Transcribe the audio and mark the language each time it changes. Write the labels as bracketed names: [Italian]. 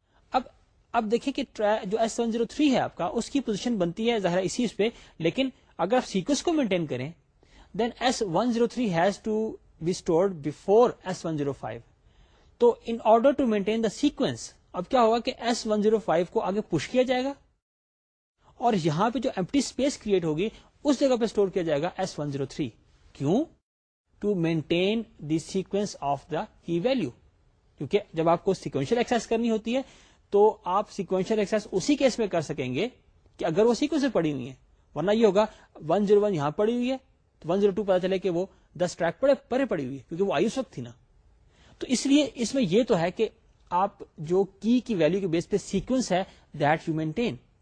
[Urdu] اب دیکھیں کہ جو S103 ہے آپ کا, اس کی پوزیشن بنتی ہے ظاہر ہے اسی اس پہ, لیکن اگر آپ سیکوینس کو مینٹین کریں [English] دین S103 has to be stored before S105. [Urdu] تو [English] in order to maintain the sequence [Urdu] اب کیا ہوگا کہ S105 کو آگے پش کیا جائے گا, اور یہاں پہ جو ایمپٹی اسپیس کریٹ ہوگی اس جگہ پہ اسٹور کیا جائے گا S103. کیوں؟ [English] To maintain the sequence of the he value. [Urdu] کیونکہ جب آپ کو سیکوینشل ایکسس کرنی ہوتی ہے تو آپ سیکوینشل ایکسس اسی کیس میں کر سکیں گے کہ اگر وہ سیکوینس میں پڑی ہوئی ہے, ورنہ یہ ہوگا 101 یہاں پڑی ہوئی ہے تو 102 پتا چلے کہ وہ 10 ٹریک پڑے پرے پڑی ہوئی ہے, کیونکہ وہ آئی اس وقت تھی نا. تو اس لیے اس میں یہ تو ہے کہ آپ جو کی ویلیو کے بیس پہ سیکوینس ہے [English] That you maintain.